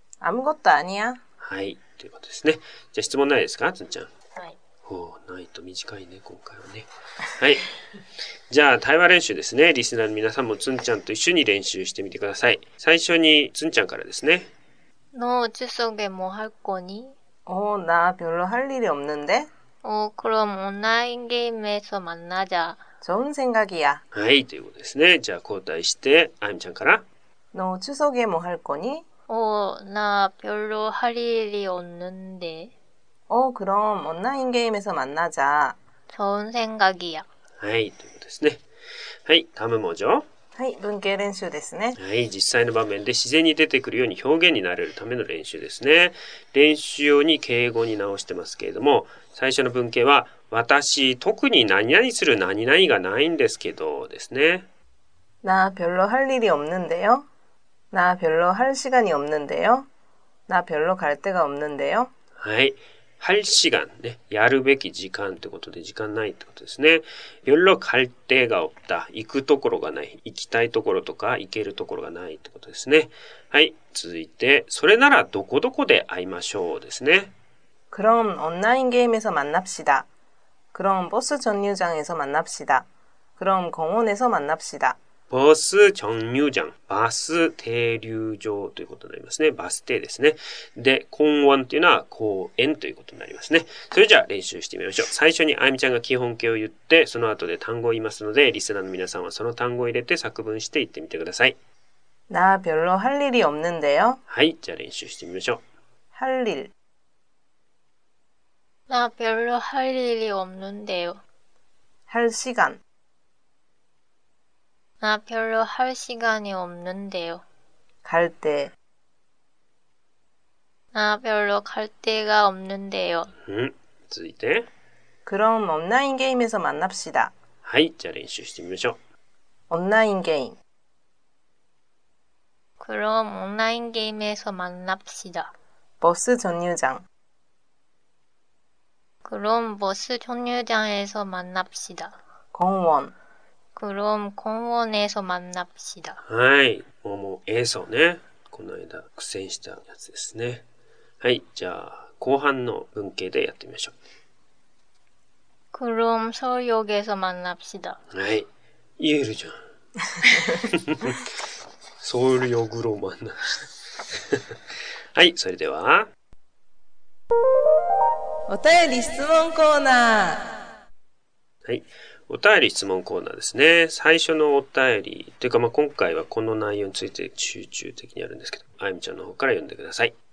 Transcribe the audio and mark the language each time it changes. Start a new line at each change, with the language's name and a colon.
Korean: あむごとあにや。
Japanese: はい、ということですね。じゃあ質問ないですか、つんちゃん。はい。おー、ないと短いね、今回はね。はい。じゃあ、対話練習ですね。リスナーの皆さんもつんちゃんと一緒に練習してみてください。最初に、つんちゃんからですね。
Korean: 너추석에뭐할거니 오나별로할일이없는데 오그럼온라인게임에서만나자 좋은생각이야
Japanese: はい、ということですね。じゃあ、交代して、あゆみちゃんから。 너추석에뭐할거니 오나별로할일이없는데 오그럼온라인게임에서만나자 좋은생각이야 はい、ということですね。
Korean: はい、다음은뭐죠
Japanese: はい、文型練習ですね。はい、実際の場面で自然に出てくるように表現になれるための練習ですね。練習用に敬語に直してますけれども、最初の文型は、私、特に何々する何々がないんですけど、ですね。
Korean: 나별로할일이없는데요。 나별로할시간이없는데요。 나별로갈데가없는데요。
Japanese: はい。 할시간、ね、やるべき時間ってことで時間ないってことですね。
Korean: 별로갈데가없다。
Japanese: 行くところがない。行きたいところとか行けるところがないってことですね。はい、続いて、それならどこどこで会いましょうですね。
Korean: 그럼온라인게임에서만납시다。 그럼버스정류장에서만납시다。 그럼공원에서만납시다。
Japanese: バス停留場、バス停留場ということになりますね。バス停ですね。で、公園というのは公園ということになりますね。それじゃあ練習してみましょう。最初にあゆみちゃんが基本形を言って、その後で単語を言いますので、リスナーの皆さんはその単語を入れて作文して言ってみてください。
Korean: 나별로할일이없는데요。
Japanese: はい、じゃあ練習してみましょう。
Korean: 할일。 나별로할일이없는데요。 할시간。 나별로할시간이없는데요 갈데 나별로갈데가없는데요
Japanese: 응続いて
Korean: 그럼온라인게임에서만납시다
Japanese: はい、じゃあ練習してみましょう
Korean: 온라인게임 그럼온라인게임에서만납시다 버스전유장 그럼버스전유장에서만납시다 공원 그럼공원에서만납시다
Japanese: はい、もう、えそね。この間苦戦したやつですね。はい、じゃあ後半の文型でやってみましょう。
Korean: 그럼서울역에서만납시다
Japanese: はい、言えるじゃん。
Korean: 서울역으로만납시다。
Japanese: はい、それでは。お便り質問コーナー。はい、お便り質問コーナーですね。最初のお便り、というかまあ今回はこの内容について集中的にやるんですけど、あゆみちゃんの方から読んでください。